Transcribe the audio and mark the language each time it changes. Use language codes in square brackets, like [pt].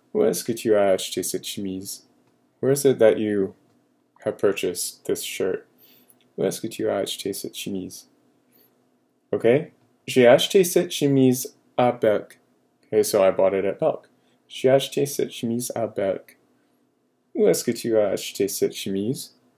[fr] Où est-ce que tu as acheté cette chemise? [en] Where is it that you have purchased this shirt? [fr] Où est-ce que tu as acheté cette chemise? Okay. J'ai acheté cette chemise à Belk. [en] Okay, so I bought it at Belk. [fr] J'ai acheté cette chemise à Belk. Où est-ce que tu as acheté cette chemise?